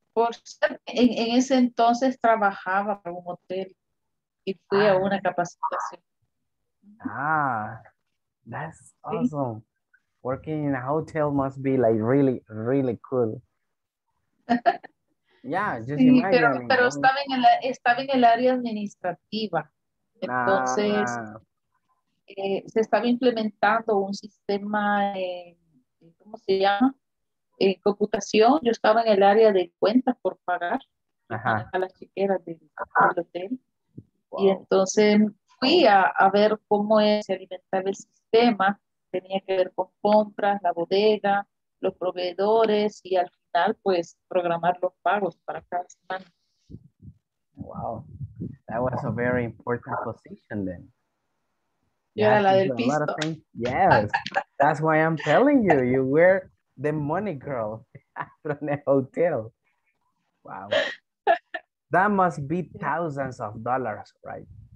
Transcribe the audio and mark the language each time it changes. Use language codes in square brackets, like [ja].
[es] Por ser, en ese entonces trabajaba para un hotel y fui a una capacitación. [en] Ah, that's awesome. Sí. Working in a hotel must be like really, really cool. Yeah, just imagine. [es] Pero, estaba en el área administrativa. Entonces, se estaba implementando un sistema, ¿cómo se llama? En computación. Yo estaba en el área de cuentas por pagar a las chequeras del hotel. Wow. Y entonces fui a ver cómo se alimentaba el sistema. Tenía que ver con compras, la bodega, los proveedores y al final, pues, programar los pagos para cada semana. [en] Wow, that was a very important position then. [es] Yo era la del piso. [en] Yes, that's why I'm telling you, you were the money girl from the hotel. Wow, that must be thousands of dollars, right?